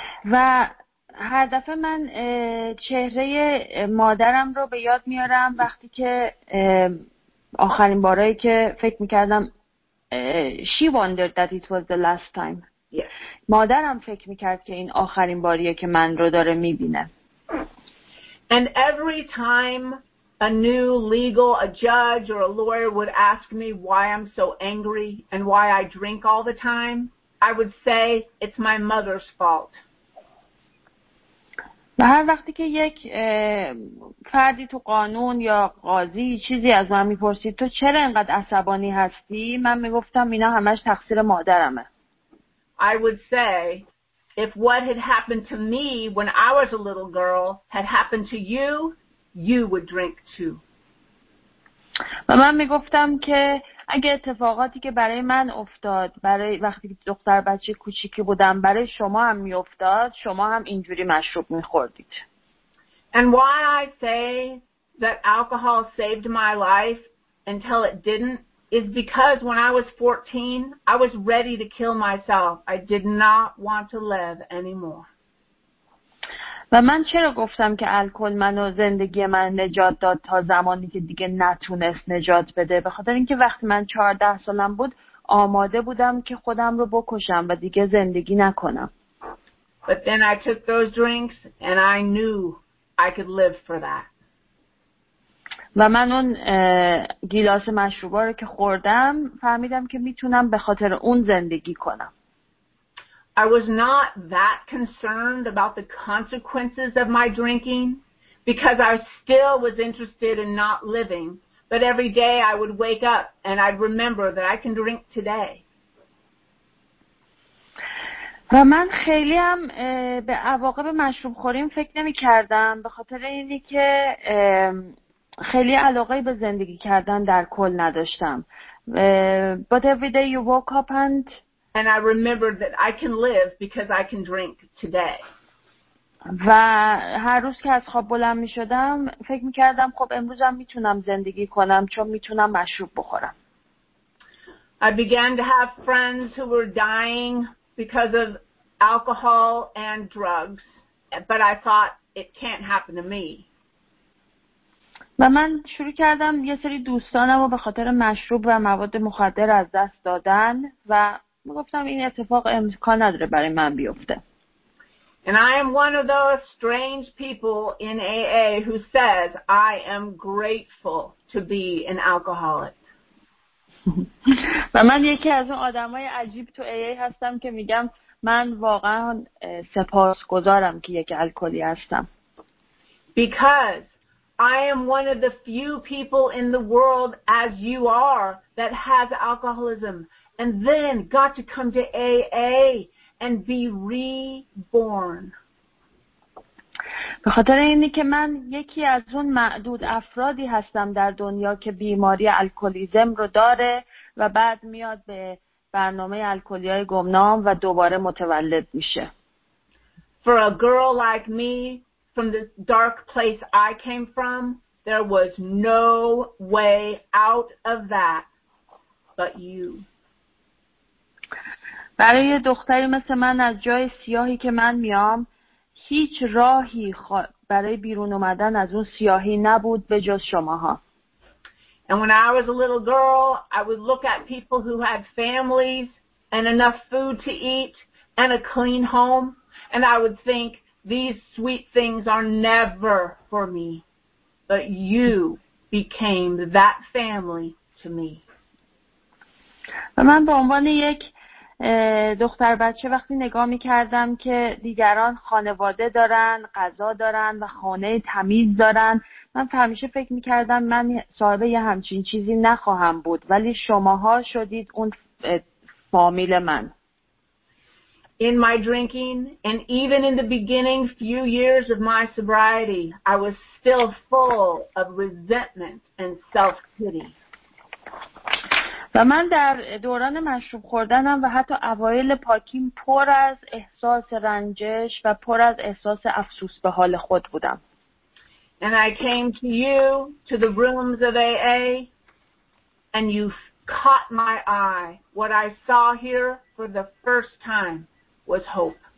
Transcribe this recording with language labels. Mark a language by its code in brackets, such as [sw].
[fa] و هر دفعه من چهره مادرم رو به یاد میارم وقتی که آخرین بارایی که فکر می‌کردم [en] she wondered that it was the last time. Yes. [fa] مادرم فکر می‌کرد که این آخرین باریه که من رو داره می‌بینه. [en] And every time a new legal, a judge or a lawyer would ask me why I'm so angry and why I drink all the time, I would say it's my mother's fault. [fa] و هر وقتی که یک فردی تو قانون یا قاضی چیزی از من میپرسید تو چرا اینقدر عصبانی هستی، من میگفتم اینا همش تقصیر مادرمه. [en] I would say, if what had happened to me when I was a little girl had happened to you, you would drink too. [fa] و من میگفتم که اگه اتفاقاتی که برای من افتاد برای وقتی دختر بچه کوچیکی بودم برای شما هم میافتاد، شما هم اینجوری مشروب میخوردید. [en] And why I say that alcohol saved my life until it didn't is because when I was 14, I was ready to kill myself. I did not want to live anymore. [fa] و من چرا گفتم که الکل منو زندگی من نجات داد تا زمانی که دیگه نتونست نجات بده؟ به خاطر اینکه وقتی من 14 سالم بود آماده بودم که خودم رو بکشم و دیگه زندگی نکنم. [en] But then I took those drinks and I knew I could live for that. [fa] و من اون گیلاس مشروبا رو که خوردم فهمیدم که میتونم به خاطر اون زندگی کنم. [en] I was not that concerned about the consequences of my drinking because I still was interested in not living. But every day I would wake up and I'd remember that I can drink today. [fa] و من خیلی هم به عواقب مشروب خوریم فکر نمی کردم به خاطر اینی که خیلی علاقه به زندگی کردن در کل نداشتم. [en] But every day you woke up and I remembered that I can live because I can drink today. [fa] و هر روز که از خواب بلند می شدم فکر می کردم خب امروزم می تونم زندگی کنم چون می تونم مشروب بخورم. [en] I began to have friends who were dying because of alcohol and drugs, but I thought it can't happen to me. [fa] و من شروع کردم یه سری دوستانم رو به خاطر مشروب و مواد مخدر از دست دادن و میگفتم این اتفاق امکان نداره برای من بیفته. [en] And I am one of those strange people in AA who says I am grateful to be an alcoholic. [fa] و من یکی از اون آدمای عجیب تو AA هستم که میگم من واقعا سپاسگزارم که یک الکلی هستم. [en] Because I am one of the few people in the world, as you are, that has alcoholism and then got to come to AA and be reborn. [fa] به خاطر اینی که من یکی از اون معدود افرادی هستم در دنیا که بیماری الکلیزم رو داره و بعد میاد به برنامه الکلی‌های گمنام و دوباره متولد میشه. [en] For a girl like me, from the dark place I came from, there was no way out of that but you. [fa] برای دختری مثل من از جای سیاهی که من میام هیچ راهی برای بیرون اومدن از اون سیاهی نبود به جز شماها. [en] And when I was a little girl, I would look at people who had families and enough food to eat and a clean home, and I would think, these sweet things are never for me, but you became that family to me. [fa] و من به عنوان یک دختر بچه وقتی نگاه می کردم که دیگران خانواده دارن، غذا دارن و خانه تمیز دارن، من همیشه فکر می کردم من صاحب یه همچین چیزی نخواهم بود، ولی شماها شدید اون فامیل من. [en] In my drinking, and even in the beginning few years of my sobriety, I was still full of resentment and self-pity. [fa] و من در دوران مشروب خوردنم و حتی اوایل پاکیم پر از احساس رنجش و پر از احساس افسوس به حال خود بودم. [en] And I came to you, to the rooms of AA, and you caught my eye. What I saw here for the first time was hope.